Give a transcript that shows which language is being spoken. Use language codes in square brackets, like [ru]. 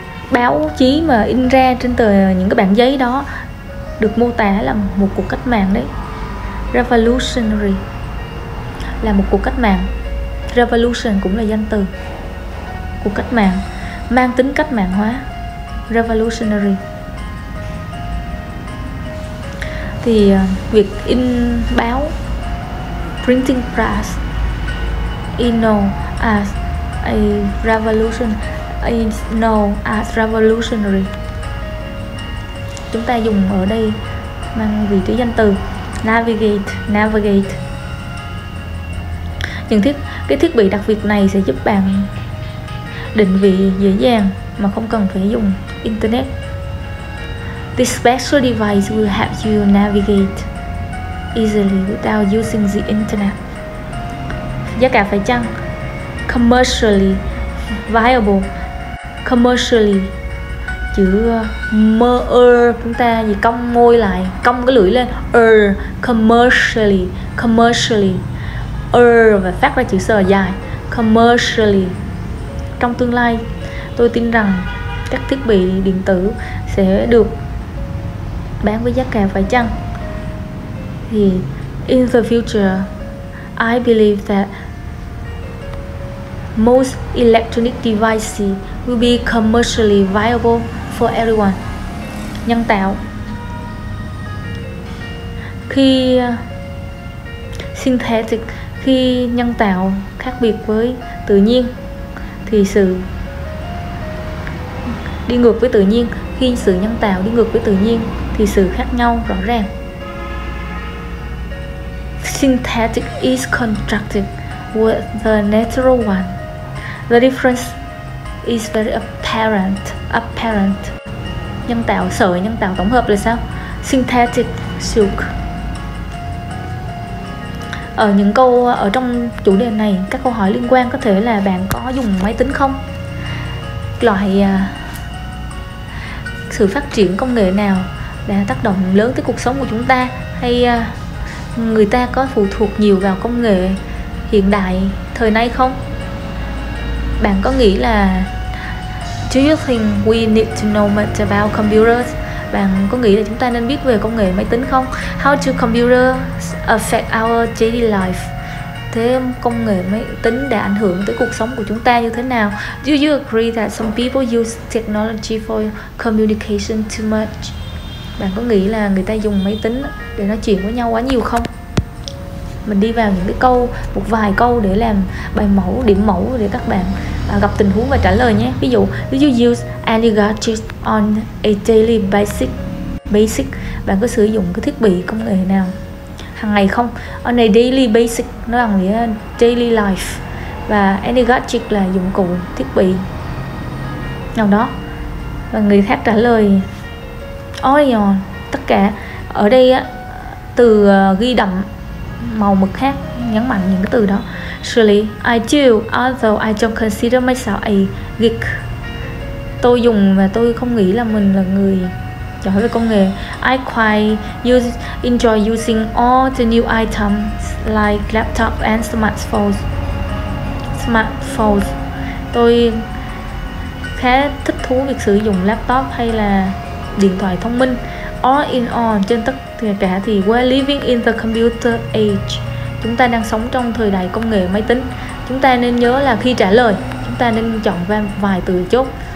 [vi] Báo chí mà in ra trên tờ những cái bản giấy đó được mô tả là một cuộc cách mạng đấy. Revolutionary là một cuộc cách mạng. Revolution cũng là danh từ. Cuộc cách mạng, mang tính cách mạng hóa. [en] Revolutionary. [vi] Thì việc in báo, [en] printing press, in know as a revolution, in know as revolutionary. [vi] Chúng ta dùng ở đây mang vị trí danh từ. Navigate, navigate. Những thiết, cái thiết bị đặc biệt này sẽ giúp bạn định vị dễ dàng mà không cần phải dùng internet. [en] This special device will help you navigate easily without using the internet. [vi] Giá cả phải chăng? [en] Commercially viable. [vi] Commercially, chữ mer chúng ta gì, cong môi lại, cong cái lưỡi lên. Commercially, commercially, và phát ra chữ sờ dài. Commercially, trong tương lai tôi tin rằng các thiết bị điện tử sẽ được bán với giá cả phải chăng. [en] Thì in the future, I believe that most electronic devices will be commercially viable for everyone. [vi] Nhân tạo. Khi synthetic, khi nhân tạo khác biệt với tự nhiên, thì sự đi ngược với tự nhiên, khi sự nhân tạo đi ngược với tự nhiên thì sự khác nhau rõ ràng. [en] Synthetic is constructed with the natural one. The difference is very apparent, apparent. [vi] Nhân tạo, sợi nhân tạo tổng hợp là sao? [en] Synthetic silk. [vi] Ở những câu, ở trong chủ đề này, các câu hỏi liên quan có thể là bạn có dùng máy tính không? Loại sự phát triển công nghệ nào đã tác động lớn tới cuộc sống của chúng ta? Hay người ta có phụ thuộc nhiều vào công nghệ hiện đại thời nay không? Bạn có nghĩ là [en] do you think we need to know much about computers? [vi] Bạn có nghĩ là chúng ta nên biết về công nghệ máy tính không? [en] How do computers affect our daily life? [vi] Thế công nghệ máy tính đã ảnh hưởng tới cuộc sống của chúng ta như thế nào? [en] Do you agree that some people use technology for communication too much? [vi] Bạn có nghĩ là người ta dùng máy tính để nói chuyện với nhau quá nhiều không? Mình đi vào những cái câu, một vài câu để làm bài mẫu, điểm mẫu để các bạn gặp tình huống và trả lời nhé. Ví dụ, [en] do you use any gadgets on a daily basis? [vi] Bạn có sử dụng cái thiết bị công nghệ nào hàng ngày không? [en] On a daily basis, [vi] nó là nghĩa [en] daily life. [vi] Và [en] any gadget [vi] là dụng cụ, thiết bị nào đó. Và người khác trả lời, [en] all your, [vi] tất cả. Ở đây á, từ ghi đậm màu mực khác nhấn mạnh những cái từ đó. [en] Surely I do, although I don't consider myself a geek. [vi] Tôi dùng và tôi không nghĩ là mình là người giỏi về công nghệ. [en] I quite enjoy using all the new items like laptop and smartphones. [vi] Tôi khá thích thú việc sử dụng laptop hay là điện thoại thông minh. [en] All in all, [vi] trên tất cả thì [en] we're living in the computer age. [vi] Chúng ta đang sống trong thời đại công nghệ máy tính. Chúng ta nên nhớ là khi trả lời, chúng ta nên chọn vài từ chốt.